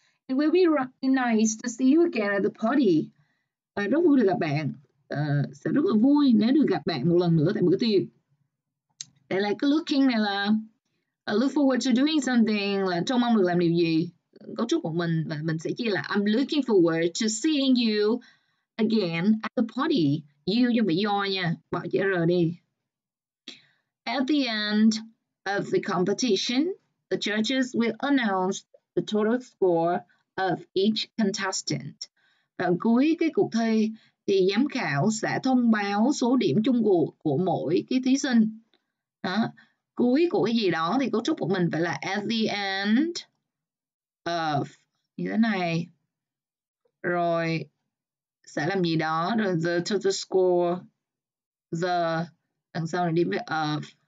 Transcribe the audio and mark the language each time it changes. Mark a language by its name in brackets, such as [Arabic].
[English] It will be really nice to see you again at the party. [Vietnamese] Rất vui được gặp bạn. Sẽ rất là vui nếu được gặp bạn một lần nữa tại bữa tiệc. Đây là cái looking này là [English] I look forward to doing something, [Vietnamese] là trông mong được làm điều gì. Cấu trúc của mình và mình sẽ chia là [English] I'm looking forward to seeing you again at the party. [Vietnamese] You cho mình do nha, bỏ chữ R đi. [English] At the end of the competition, the judges will announce the total score of each contestant. [Vietnamese] Và cuối cái cuộc thi thì giám khảo sẽ thông báo số điểm chung cuộc của mỗi cái thí sinh. Đó. Cuối của cái gì đó thì cấu trúc của mình phải là [English] at the end of [Vietnamese] như thế này, rồi sẽ làm gì đó, rồi [English] the total score, [Vietnamese] the đằng sau này điểm với of.